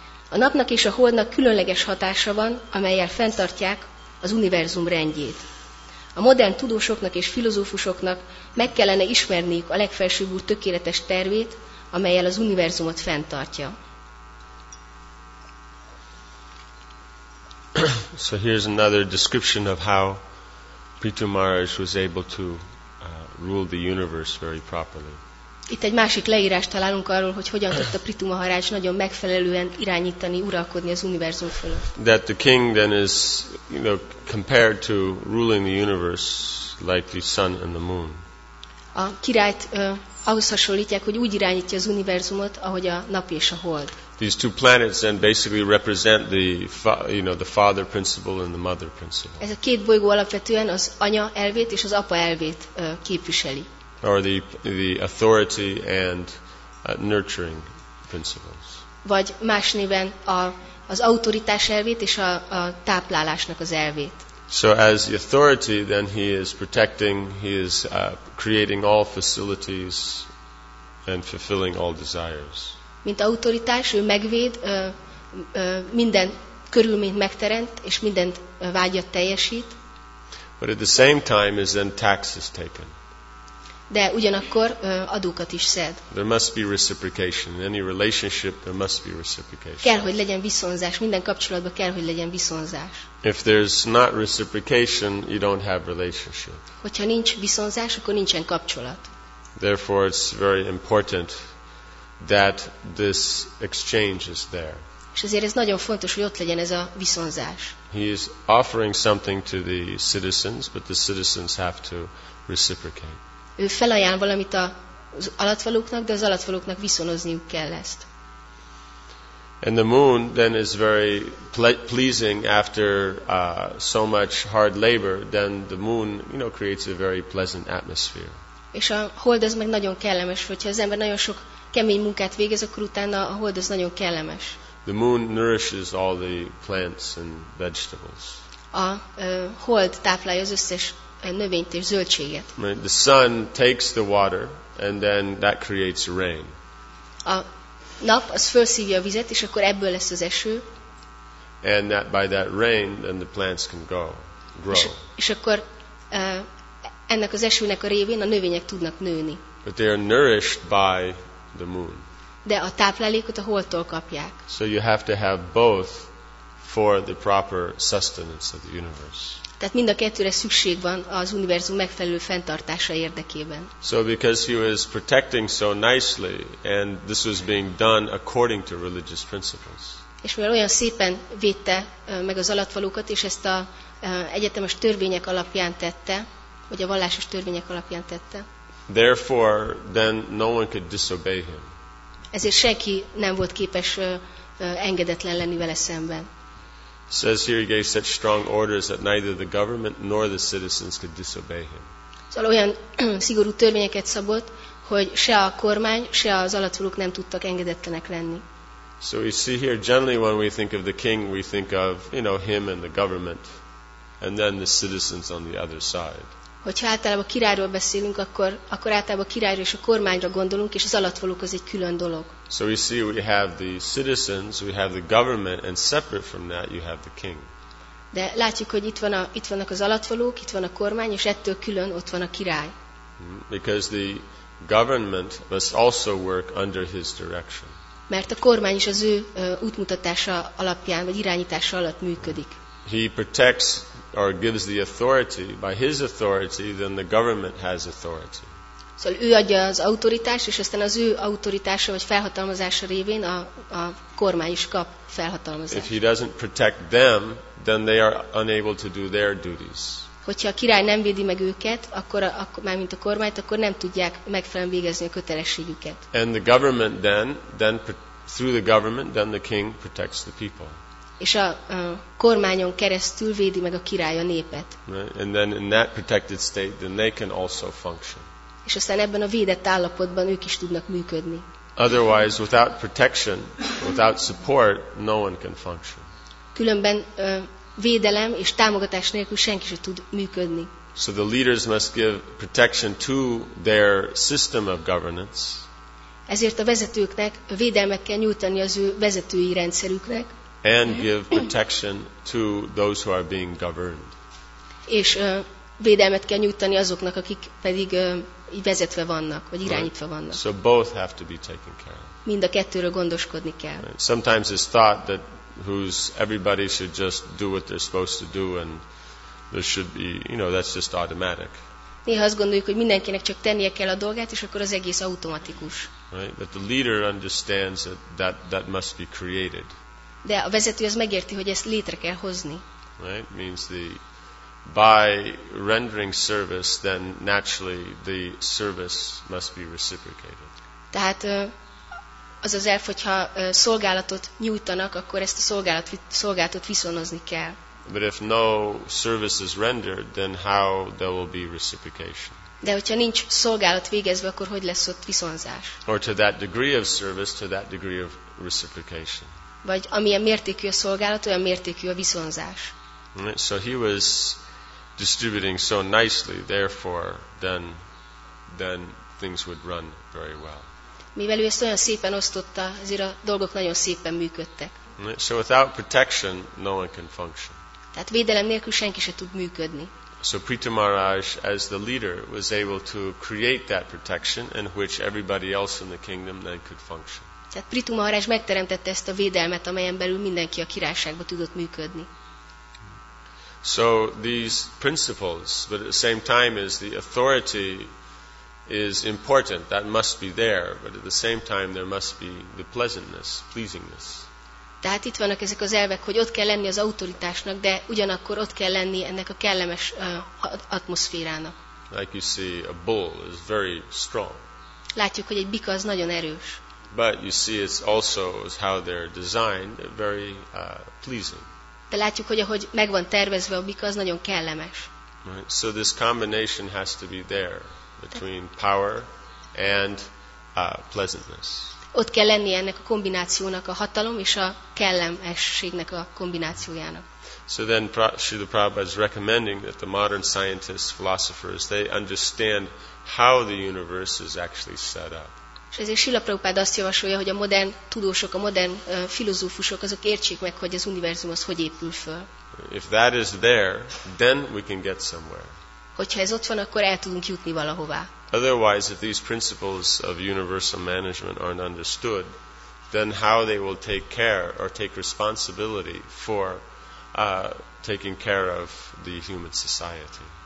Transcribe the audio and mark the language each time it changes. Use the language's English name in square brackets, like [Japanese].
[Hungarian] A napnak és a holdnak különleges hatása van, amellyel fenntartják az univerzum rendjét. A modern tudósoknak és filozófusoknak meg kellene ismerniük a legfelsőbb úr tökéletes tervét, amellyel az univerzumot fenntartja. [English] So here's another description of how Prithu Maharaj was able to rule the universe very properly. [Hungarian] Itt egy másik leírást találunk arról, hogy hogyan tudta Prithu Maharaj nagyon megfelelően irányítani, uralkodni az univerzum fölött. [English] That the king then is, you know, compared to ruling the universe like the sun and the moon. [Hungarian] A királyt ahhoz hasonlítják, hogy úgy irányítja az univerzumot, ahogy a nap és a hold. [English] These two planets then basically represent the, you know, the father principle and the mother principle. [Hungarian] Ez a két bolygó alapvetően az anya elvét és az apa elvét képviseli. [English] Or the authority and nurturing principles. [Hungarian] Vagy más néven az autoritás elvét és a táplálásnak az elvét. [English] So as the authority, then he is protecting, he is creating all facilities and fulfilling all desires. [Hungarian] Mint autoritás, ő megvéd, minden körülményt megteremt és mindent vágyat teljesít. [English] But at the same time is then tax is taken. [Hungarian] De ugyanakkor adókat is szed. [English] There must be reciprocation. In any relationship there must be reciprocation. [Hungarian] Kell, hogy legyen viszonzás. Minden kapcsolatban kell, hogy legyen viszonzás. [English] If there's not reciprocation, you don't have relationship. [Hungarian] Hogyha nincs viszonzás, akkor nincsen kapcsolat. [English] Therefore it's very important that this exchange is there. [Hungarian] És ezért ez nagyon fontos, hogy ott legyen ez a viszonzás. [English] He is offering something to the citizens, but the citizens have to reciprocate. [Hungarian] Ő felajánl valamit az alattvalóknak, de az alattvalóknak viszonozniuk kell ezt. [English] And the moon then is very pleasing after so much hard labor, then the moon, you know, creates a very pleasant atmosphere. [Hungarian] És a hold az meg nagyon kellemes, hogyha az ember nagyon sok kemény munkát végez, akkor utána a hold az nagyon kellemes. [English] The moon nourishes all the plants and vegetables. [Hungarian] A hold táplálja az összes növényt és zöldséget. [English] The sun takes the water and then that creates rain. [Hungarian] A nap az felszívja a vizet és akkor ebből lesz az eső. [English] And that by that rain then the plants can grow. [Hungarian] És akkor ennek az esőnek a révén a növények tudnak nőni. [English] But they are nourished by the moon. [Hungarian] De a táplálékot a holdtól kapják. [English] So you have to have both for the proper sustenance of the universe. [Hungarian] Tehát mind a kettőre szükség van az univerzum megfelelő fenntartása érdekében. [English] So because he was protecting so nicely and this was being done according to religious principles. [Hungarian] És mivel olyan szépen védte meg az alattvalókat és ezt a egyetemes törvények alapján tette, vagy a vallásos törvények alapján tette. [English] Therefore then no one could disobey him. [Hungarian] Ezért senki nem volt képes engedetlen lenni vele szemben. [English] Says here he gave such strong orders that neither the government nor the citizens could disobey him. [Hungarian] Szóval olyan szigorú törvényeket szabott, hogy se a kormány, se az alattvalók nem tudtak engedetlenek lenni. [English] So we see here generally when we think of the king, we think of, you know, him and the government, and then the citizens on the other side. [Hungarian] Hogyha általában a királyról beszélünk, akkor általában a királyra és a kormányra gondolunk, és az alattvalók az egy külön dolog. [English] So we see we have the citizens, we have the government, and separate from that you have the king. [Hungarian] De látjuk, hogy itt vannak az alattvalók, itt van a kormány, és ettől külön ott van a király. [English] Because the government must also work under his direction. [Hungarian] Mert a kormány is az ő útmutatása alapján, vagy irányítása alatt működik. [English] He protects or gives the authority, by his authority, then the government has authority. [Hungarian] Szóval ő adja az autoritást, és aztán az ő autoritása vagy felhatalmazása révén a kormány is kap felhatalmazást. [English] If he doesn't protect them, then they are unable to do their duties. [Hungarian] Hogyha a király nem védi meg őket, akkor már mint a kormányt, akkor nem tudják megfelelően végezni a kötelességüket. [English] And the government then through the government, then the king protects the people. [Hungarian] És a kormányon keresztül védi meg a király a népet. [English] Right. And then in that protected state, then they can also function. [Hungarian] És aztán ebben a védett állapotban ők is tudnak működni. [English] Otherwise, without protection, without support, no one can function. [Hungarian] Különben védelem és támogatás nélkül senki sem tud működni. [English] So the leaders must give protection to their system of governance. [Hungarian] Ezért a vezetőknek védelmet kell nyújtani az ő vezetői rendszerüknek. [English] And give protection to those who are being governed. [Hungarian] És védelmet kell nyújtani azoknak, akik pedig vezetve vannak, vagy irányítva vannak. [English] So both have to be taken care of. [Hungarian] Mind a kettőről gondoskodni kell. [English] Right. Sometimes it's thought that who's everybody should just do what they're supposed to do and there should be, you know, that's just automatic. [Hungarian] Néha azt gondoljuk, hogy mindenkinek csak tennie kell a dolgát, és akkor az egész automatikus. [English] Right, but the leader understands that that must be created. [Hungarian] De a vezető az megérti, hogy ezt létre kell hozni. [English] Right, means the by rendering service, then naturally the service must be reciprocated. [Hungarian] Tehát az az elf, hogyha szolgálatot nyújtanak, akkor ezt a szolgálatot viszonozni kell. [English] But if no service is rendered, then how there will be reciprocation? [Hungarian] De hogyha nincs szolgálat végezve, akkor hogy lesz ott viszonzás? [English] Or to that degree of service, to that degree of reciprocation. [Hungarian] Vagy amilyen mértékű a szolgálat, olyan mértékű a viszonzás. [English] So he was distributing so nicely, therefore then things would run very well. [Hungarian] Mivel ő ezt olyan szépen osztotta, azért a dolgok nagyon szépen működtek. [English] So without protection, no one can function. [Hungarian] Tehát védelem nélkül senki se tud működni. [English] So Prita Maharaj, as the leader, was able to create that protection in which everybody else in the kingdom then could function. [Hungarian] Tehát Prita Maharaj megteremtette ezt a védelmet, amelyen belül mindenki a királyságba tudott működni. [English] So these principles, but at the same time as the authority is important, that must be there, but at the same time there must be the pleasantness, pleasingness. [Hungarian] Tehát itt vannak ezek az elvek, hogy ott kell lenni az autoritásnak, de ugyanakkor ott kell lenni ennek a kellemes atmoszférának. [English] Like you see, a bull is very strong. [Hungarian] Látjuk, hogy egy bika az nagyon erős. [English] But you see, it's also how they're designed, very pleasing. [Hungarian] De látjuk, hogy ahogy megvan tervezve a bika, az nagyon kellemes. [English] Right. So this combination has to be there between power and pleasantness. [Hungarian] Ott kell lenni ennek a kombinációnak, a hatalom és a kellemességnek a kombinációjának. [English] So then Srila Prabhupada is recommending that the modern scientists, philosophers, they understand how the universe is actually set up. [Hungarian] És ezért Srila Prabhupada azt javasolja, hogy a modern tudósok, a modern filozófusok, azok értsék meg, hogy az univerzum az hogy épül föl. [English] If that is there, then we can get somewhere. [Hungarian] Hogyha ez ott van, akkor el tudunk jutni valahová. [English] Otherwise, if these principles of universal management aren't understood, then how they will take care or take responsibility for taking care of the human society.